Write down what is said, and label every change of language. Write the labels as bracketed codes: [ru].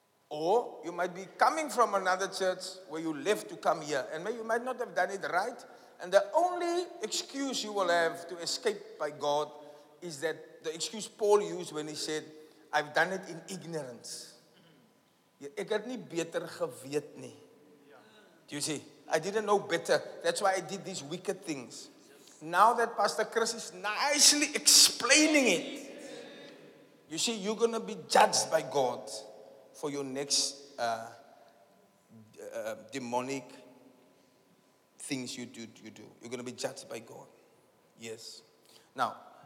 [en] Or you might be coming from another church where you left to come here. And maybe you might not have done it right. And the only excuse you will have to escape by God is that the excuse Paul used when he said, I've done it in ignorance. [af] Ek het nie beter geweet nie. [en] Do you see? I didn't know better. That's why I did these wicked things. Now that Pastor Chris is nicely explaining it, you see, you're going to be judged by God for your next demonic things you do. You're going to be judged by God. Yes. Now,